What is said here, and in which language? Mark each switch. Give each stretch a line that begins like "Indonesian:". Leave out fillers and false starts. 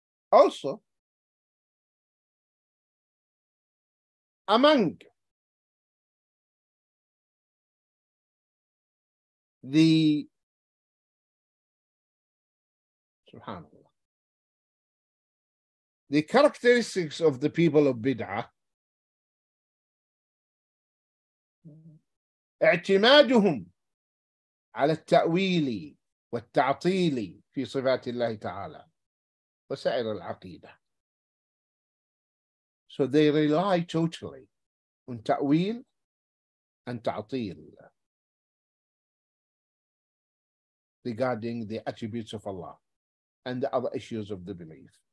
English: Also, among the subhanallah, the characteristics of the people of Bid'ah,
Arabic: اعتمادهم على التأويل والتعطيل في صفات الله تعالى وسائر العقيدة.
English: So they rely totally on تأويل and تعطيل regarding the attributes of Allah and the other issues of the belief.